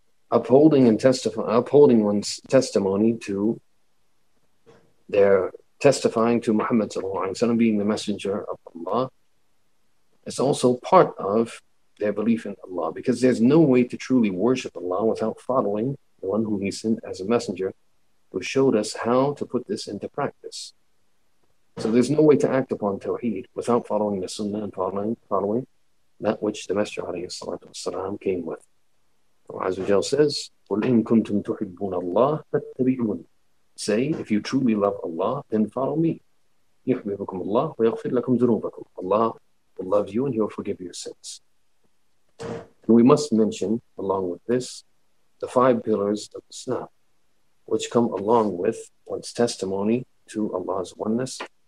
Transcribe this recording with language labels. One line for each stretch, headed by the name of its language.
English: Upholding one's testimony to their testifying to Muhammad sallallahu alaihi wasallam being the messenger of Allah is also part of their belief in Allah, because there's no way to truly worship Allah without following the one whom He sent as a messenger, who showed us how to put this into practice. So there's no way to act upon Tawheed without following the Sunnah and following that which the Messenger alayhi salatu wasalam came with. Allah Azza wa Jal says,
Arabic: قُلْ إِن كُنْتُمْ تُحِبُّونَ اللَّهِ فَاتَّبِعُونَ.
English: Say, if you truly love Allah, then follow me.
Arabic: يُحْبِبُكُمْ اللَّهِ وَيَغْفِرْ لَكُمْ ذُنُوبَكُمْ.
English: Allah will love you and he will forgive your sins. And we must mention, along with this, the five pillars of the Sunnah, which come along with one's testimony to Allah's oneness.